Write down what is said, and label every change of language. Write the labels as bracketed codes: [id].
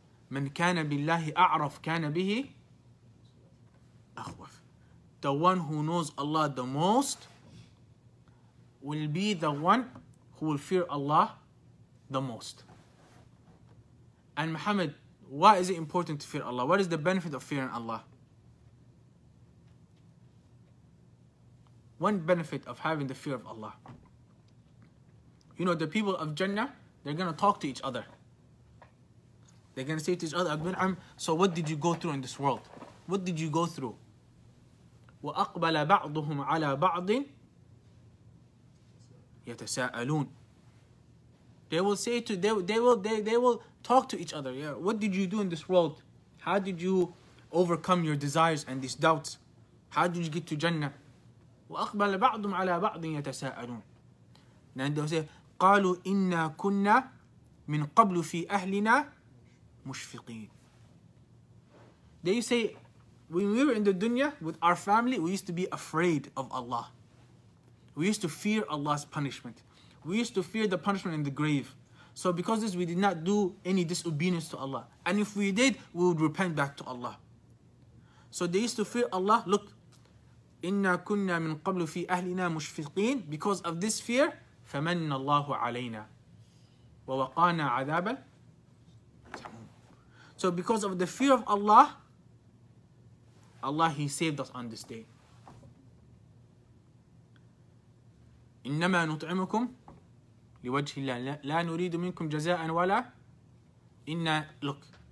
[ar] من كان بالله أعرف كان به أخوف. [en] The the one who knows Allah the most will be the one who will fear Allah the most. And Muhammad, why is it important to fear Allah? What is the benefit of fearing Allah? One benefit of having the fear of Allah. You know, the people of Jannah, they're going to talk to each other. They're going to say to each other, so what did you go through in this world? What did you go through? [ar] وَأَقْبَلَ بَعْضُهُمْ عَلَى بَعْضٍ يَتَسَاءَلُونَ. [en] They will say to, they will talk to each other. Yeah, what did you do in this world? How did you overcome your desires and these doubts? How did you get to Jannah? [ar] وَأَقْبَلَ بَعْضُهُمْ عَلَى بَعْضٍ يَتَسَاءَلُونَ. [en] Then they will say, [ar] قَالُوا إِنَّا كُنَّا مِنْ قَبْلُ فِي أَهْلِنَا مُشْفِقِينَ. [en] They say, when we were in the dunya with our family, we used to be afraid of Allah. We used to fear Allah's punishment. We used to fear the punishment in the grave. So because of this, we did not do any disobedience to Allah. And if we did, we would repent back to Allah. So they used to fear Allah. [ar] Look, إِنَّا كُنَّا مِنْ قَبْلُ فِي أَهْلِنَا مُشْفِقِينَ. [en] Because of this fear, [ar] فَمَنَّ اللَّهُ عَلَيْنَا وَوَقَانَا عَذَابَ. [en] So because of the fear of Allah, Allah, He saved us on this day. [ar] إِنَّمَا نُطْعِمُكُمْ لِوَجْهِ اللَّهِ لَا نُرِيدُ مِنْكُمْ جَزَاءً وَلَا إِنَّا. Look.